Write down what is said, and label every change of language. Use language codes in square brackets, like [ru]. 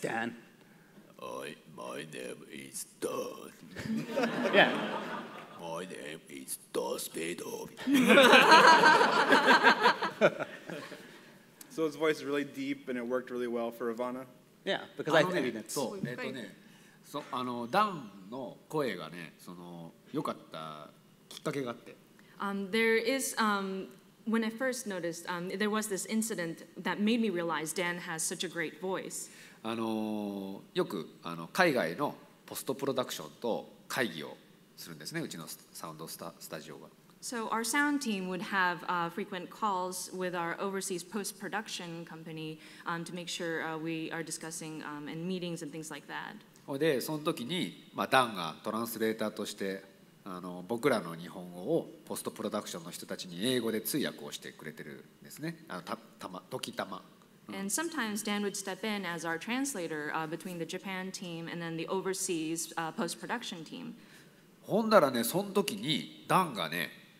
[en] Dan. My name is Dan. Yeah. My name is Darth Vader. So his voice is really deep and it worked really well for Ivana? Yeah, because I think it's. [ja] そあのダンの声がね、その良かったきっかけがあって。 [en] There is when I first noticed there was this incident that made me realize Dan has such a great voice. [ja] あのよくあの海外のポストプロダクションと会議をするんですね、うちのサウンドスタジオが。 [en] So our sound team would have frequent calls with our overseas post-production company to make sure we are discussing and meetings and things like that. [ja] でその時に、まあ、ダンがトランスレーターとしてあの僕らの日本語をポストプロダクションの人たちに英語で通訳をしてくれてるんですね。あのたま時たま。 [en] And sometimes Dan would step in as our translator between the Japan team and then the overseas post-production team. [ja] ほんだらね、その時にダンがね、